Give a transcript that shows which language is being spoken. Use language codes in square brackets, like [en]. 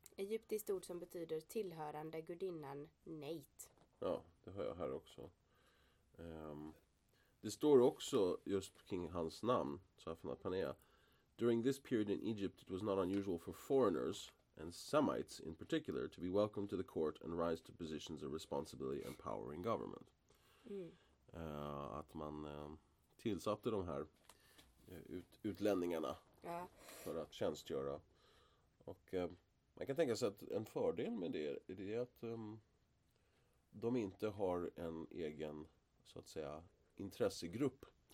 [sv] Egyptiskt ord som betyder tillhörande gudinnan Neit. Ja, det hör jag här också. Det står också just kring hans namn, [en] Safenat-Paneah: during this period in Egypt, it was not unusual for foreigners, and Semites in particular, to be welcomed to the court and rise to positions of responsibility and power in government. [sv] Att man tillsatte de här utlänningarna för att tjänstgöra. Och man kan tänka sig att en fördel med det är det att de inte har en egen, så att säga, intressegrupp.